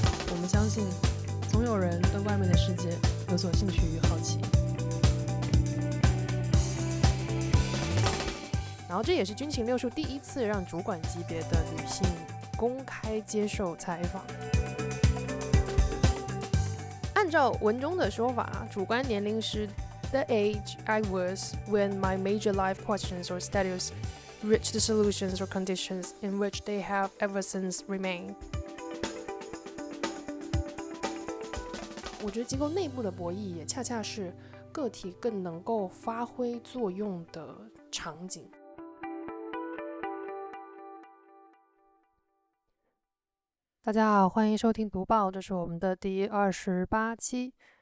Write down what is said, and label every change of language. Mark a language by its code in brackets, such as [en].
[zh] 我们相信总有人对外面的世界有所兴趣与好奇，然后这也是军情六处第一次让主管级别的女性公开接受采访。按照文中的说法，主观年龄是 [en] The age I was when my major life questions or status reached the solutions or conditions in which they have ever since remained。 [zh] 我觉得机构内部的博弈也恰恰是个体更能够发挥作用的场景。大家好，欢迎收听读报，这是我们的第28期。